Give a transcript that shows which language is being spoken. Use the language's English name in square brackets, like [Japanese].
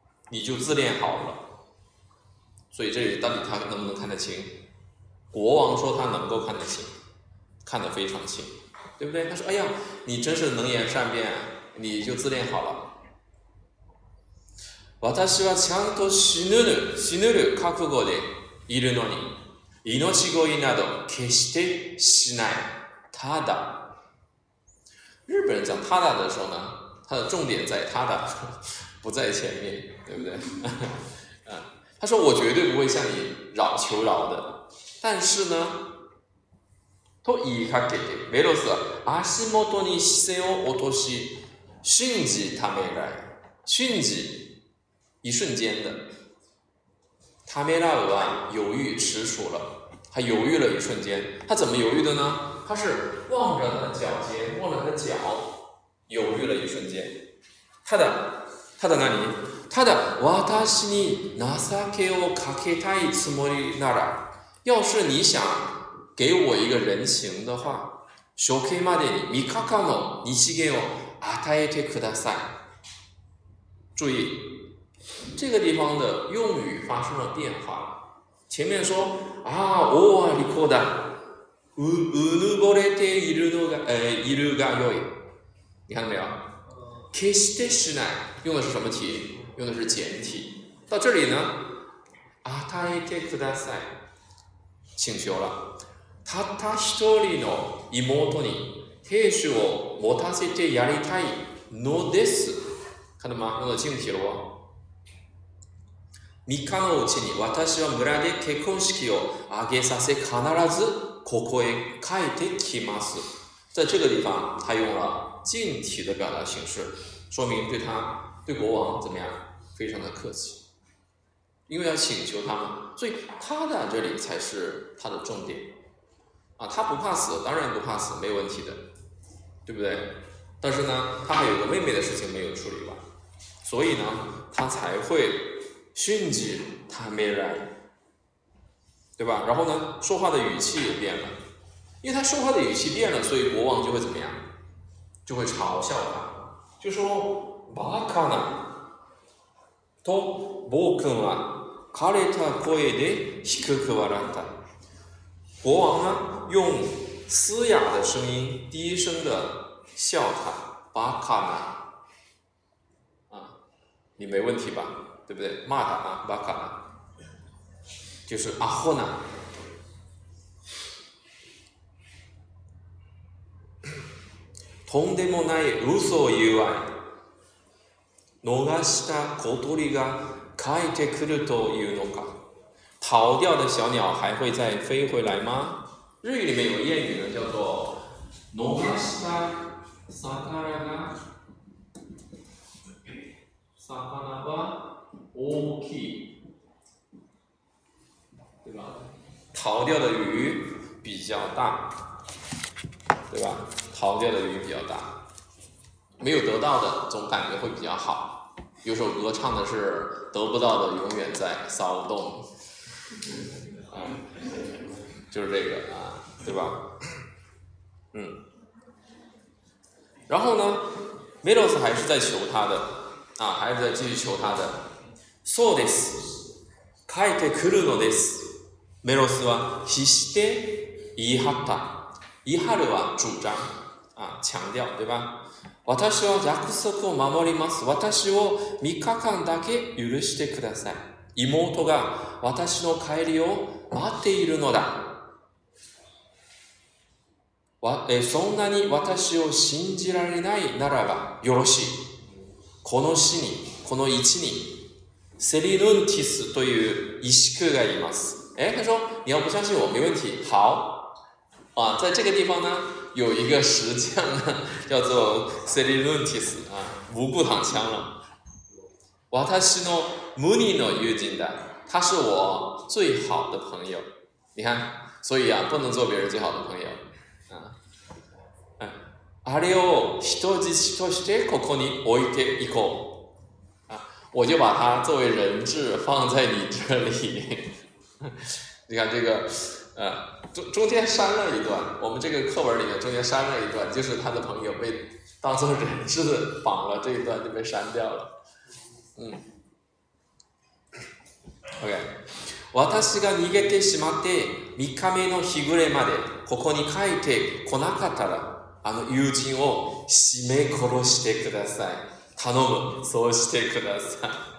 [Chinese] 你就自恋好了。所以这里到底他能不能看得清？国王说他能够看得清，看得非常清，对不对？他说哎呀，你真是能言善辩，你就自恋好了。 [Japanese] 私はちゃんと死ぬる死ぬる覚悟でいるのに、命乞いなど決してしない。 [Chinese] ただ日本人讲ただ的时候呢，他的重点在ただ，不在前面，对不对？他说我绝对不会向你饶求饶的，但是呢， [Japanese] と言いかけて、メロス、足元に視線を落とし、瞬時ためらい、瞬時、 [Chinese] 一瞬间的， [Japanese] ためらうは [Chinese] 犹豫迟蹰了，他犹豫了一瞬间，他怎么犹豫的呢？他是望着他的脚尖，望着他的脚，犹豫了一瞬间，他的何？ [Japanese] ただ私に情けをかけたいつもりなら， [Chinese] 要是你想给我一个人情的话， [Japanese] 処刑までに3日間の日限を与えてください。 [Chinese] 注意，这个地方的用语发生了变化。前面说啊， [Japanese] 我はリコだ、うぬぼれているのが、いるがよい。 [Chinese] 你看到没有？ [Japanese] 決してしない [Chinese] 用的是什么体？用的是简体。到这里呢， [Japanese] あたえてください， [Chinese] 请求了。 [Japanese] たった一人の妹に亭主を持たせてやりたいのです。 [Chinese] 看到吗？用的敬体了。 [Japanese] 三日のうちに私は村で結婚式を挙げさせ、必ずここへ帰ってきます。 [Chinese] 在这个地方，他用了敬体的表达形式，说明对他对国王怎么样非常的客气，因为要请求他们，所以他的这里才是他的重点啊。他不怕死，当然不怕死，没有问题的，对不对？但是呢，他还有个妹妹的事情没有处理完，所以呢，他才会迅疾他没来，对吧？然后呢，说话的语气也变了，因为他说话的语气变了，所以国王就会怎么样，就会嘲笑他，就说 [Japanese] バカな。と、暴君は枯れた声で低く笑った。 [Chinese] 国王呢用嘶哑的声音低声的笑他，巴卡纳，啊，你没问题吧？对不对？骂他啊，巴卡纳，就是阿霍纳。 [Japanese] とんでもない嘘を言うわい。逃した小鳥が帰ってくるというのか。 [Chinese] 逃掉的小鸟还会再飞回来吗？日语里面有谚语呢，叫做 [Japanese] 逃した魚が魚は大きい， [Chinese] 对吧？逃掉的鱼比较大，对吧？逃掉的鱼比较大，没有得到的总感觉会比较好。有首歌唱的是得不到的永远在骚动，啊，就是这个啊，对吧？嗯，然后呢 ，Melos 还是在求他的，啊，还是在继续求他的。 [Japanese] そうです。帰ってくるのです。 Melos は必死で言い張った。言い張るは主張， [Chinese] 啊，强调，对吧？ [Japanese] 私は約束を守ります。私を3日間だけ許してください。妹が私の帰りを待っているのだ。そんなに私を信じられないならばよろしい。この市に、この市に、セリヌンティスという石区がいます。 [Chinese] 他说、你要不相信我、没问题。好。啊，在这个地方呢，有一个石匠呢，叫做 Celinuntis 啊，无故躺枪了。 [Japanese] 私の無二の友人だ， [Chinese] 他是我最好的朋友。你看，所以啊，不能做别人最好的朋友。 [Japanese] 啊，あれを人質としてここに置いていこう。 [Chinese] 啊，我就把他作为人质放在你这里。你看这个，中间删了一段，我们这个课文里面中间删了一段，就是他的朋友被当作人质绑了，这一段就被删掉了。嗯 ，OK， [Japanese] 私が逃げてしまって3日目の日暮れまでここに帰ってこなかったら、あの友人を締め殺してください。頼む、そうしてください。